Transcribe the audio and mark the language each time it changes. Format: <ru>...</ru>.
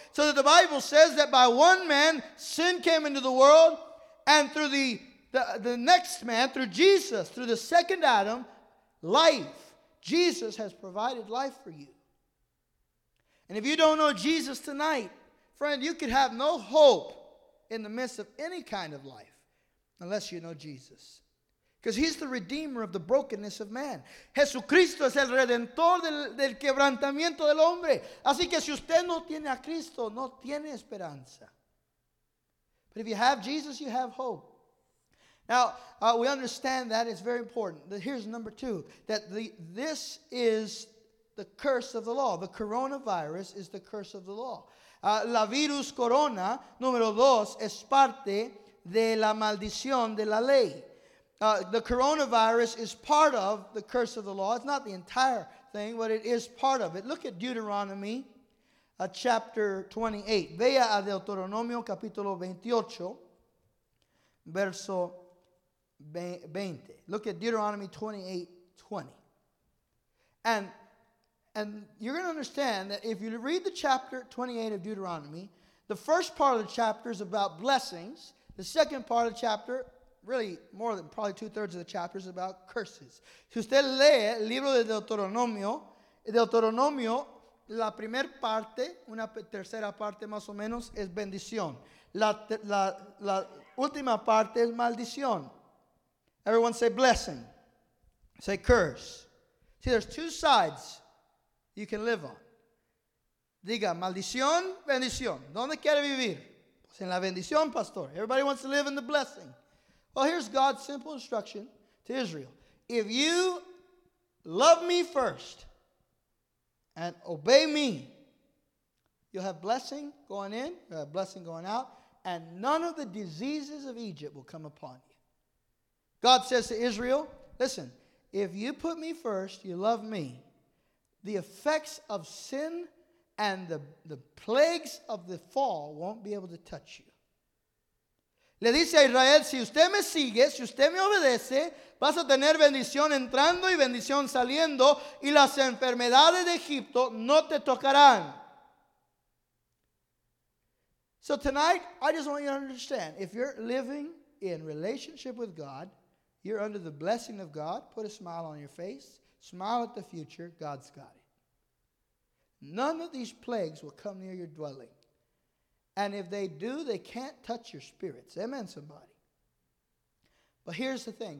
<en>So that the Bible says that by one man, sin came into the world, and through the next man, through Jesus, through the second Adam, life. Jesus has provided life for you. And if you don't know Jesus tonight, friend, you could have no hope in the midst of any kind of life unless you know Jesus. Because he's the redeemer of the brokenness of man.</en> <es>Jesucristo es el redentor del quebrantamiento del hombre. Así que si usted no tiene a Cristo, no tiene esperanza.</es> <en>But if you have Jesus, you have hope. Now, we understand that it's very important. Here's number two, that this is the curse of the law. The coronavirus is the curse of the law.</en> <es>La virus corona, número dos, es parte de la maldición de la ley.</es> <en>The coronavirus is part of the curse of the law. It's not the entire thing, but it is part of it. Look at Deuteronomy chapter 28.</en> <es>Vea a Deuteronomio capítulo 28, verso 20.</es> <en>Look at Deuteronomy 28:20. And you're going to understand that if you read the chapter 28 of Deuteronomy, the first part of the chapter is about blessings. The second part of the chapter, really, more than probably two-thirds of the chapter, is about curses.</en> <es>Si usted lee el libro de Deuteronomio, la primera parte, una tercera parte más o menos, es bendición. La última parte es maldición.</es> <en>Everyone say blessing. Say curse. See, there's two sides you can live on.</en> <es>Diga, maldición, bendición. ¿Dónde quiere vivir? Pues en la bendición, pastor.</es> <en>Everybody wants to live in the blessing. Well, here's God's simple instruction to Israel. If you love me first and obey me, you'll have blessing going in, you'll have blessing going out, and none of the diseases of Egypt will come upon you. God says to Israel, listen, if you put me first, you love me, the effects of sin and the plagues of the fall won't be able to touch you.</en> <es>Le dice a Israel, si usted me sigue, si usted me obedece, vas a tener bendición entrando y bendición saliendo, y las enfermedades de Egipto no te tocarán.</es> <en>So tonight, I just want you to understand, if you're living in relationship with God, you're under the blessing of God, put a smile on your face, smile at the future, God's got it. None of these plagues will come near your dwelling. And if they do, they can't touch your spirits. Amen, somebody. But here's the thing.</en>